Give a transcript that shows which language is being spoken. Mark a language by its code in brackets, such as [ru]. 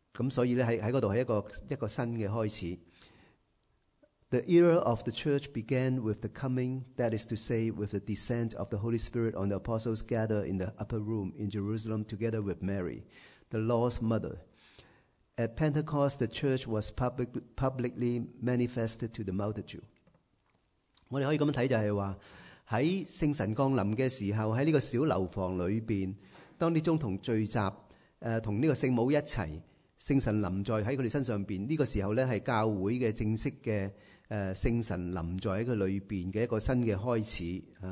[zh] 所以呢 在那里是一个新的开始。 [en] The era of the church began with the coming, that is to say, with the descent of the Holy Spirit on the apostles gathered in the upper room in Jerusalem together with Mary, the Lord's mother. At Pentecost, the church was publicly manifested to the multitude. [zh] 我们可以这样看，就是说在圣神降临的时候，在这个小楼房里面，当这宗徒聚集跟这个圣母一起，圣神临在在他们身上，这个时候是教会的正式的圣神临在在他里面的一个新的开始。